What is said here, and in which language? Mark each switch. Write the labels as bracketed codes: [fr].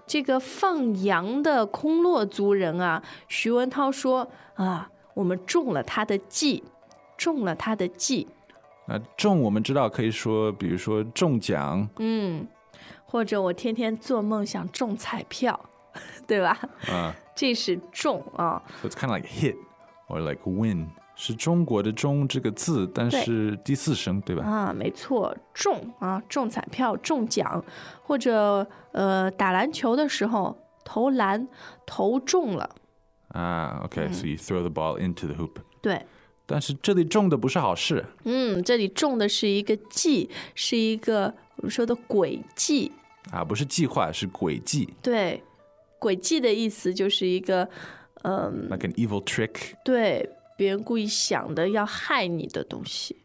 [zh] 这个放羊的空落族人啊，徐文涛说啊，我们中了他的计，中了他的计。那中，我们知道可以说，比如说中奖，或者我天天做梦想中彩票，对吧？这是中啊。 [en] So it's kind of like hit or like win. [zh] 是中国的中这个字，但是第四声，对吧？没错，中啊，中彩票，中奖，或者打篮球的时候投篮投中了。 [en] Okay, so you throw the ball into the hoop. [zh] 对。但是这里中的不是好事。这里中的是一个计，是一个我们说的诡计。不是计划，是诡计。对。诡计的意思就是一个 [en] like an evil trick. [zh] 对，别人故意想的要害你的东西。